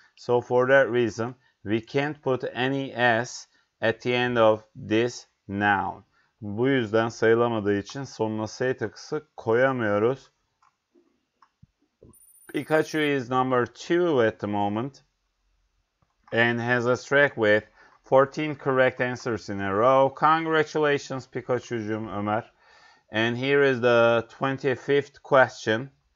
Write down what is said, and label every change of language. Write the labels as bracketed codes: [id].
[en] So for that reason we can't put any S at the end of this noun. [tr] Bu yüzden sayılamadığı için sonuna S takısı koyamıyoruz. [en] Pikachu is number 2 at the moment and has a streak with 14 correct answers in a row. Congratulations Pikachu'cum Ömer. And here is the 25th question.